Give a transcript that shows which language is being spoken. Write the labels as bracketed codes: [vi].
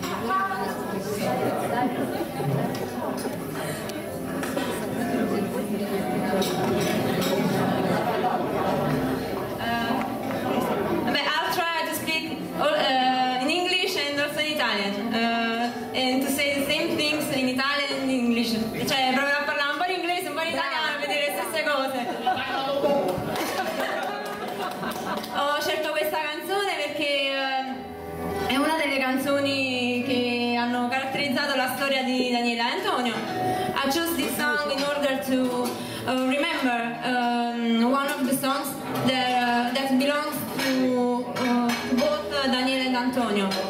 [en] I'll try to speak in English and also in Italian, and to say the same things in Italian and in English. [it] Cioè, proverò a parlare un po' l'inglese e un po' l'italiano per dire le stesse cose. Ho scelto questa canzone perché è una delle canzoni che hanno caratterizzato la storia di Daniella e Antonio. [en] I chose this song in order to remember one of the songs that, that belongs to both Daniela and Antonio.